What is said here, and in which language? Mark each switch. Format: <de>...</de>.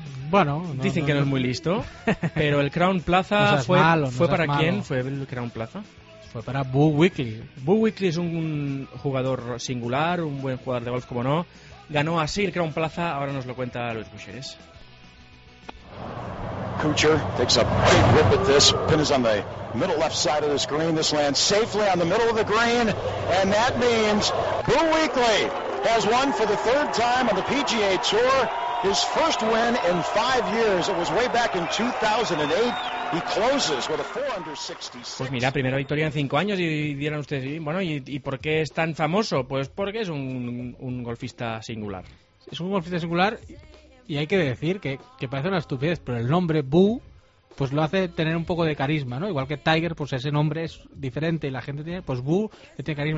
<es>Bueno, Dicen que no es muy listo, pero el Crown Plaza ¿fue el Crown Plaza? Fue para Boo Weekly. Boo Weekly es un jugador singular, un buen jugador de golf, como no. Ganó así el Crown Plaza, ahora nos lo cuenta Luis Buxeres.</es> <en>Kuchar takes a big rip at this. Pin is on the middle left side of this green. This lands safely on the middle of the green. And that means Boo Weekly has won for the third time on the PGA Tour. His first win in 5 years. It was way back in 2008. He closes with a 466.</en> <es>Pues mira, primera victoria en 5 años y dirán ustedes, bueno, ¿y por qué es tan famoso? Pues porque es un golfista singular. Es un golfista singular y hay que decir que parece una estupidez, pero el nombre Boo pues lo hace tener un poco de carisma, ¿no? Igual que Tiger, pues ese nombre es diferente y la gente tiene, pues Boo tiene carisma.</es>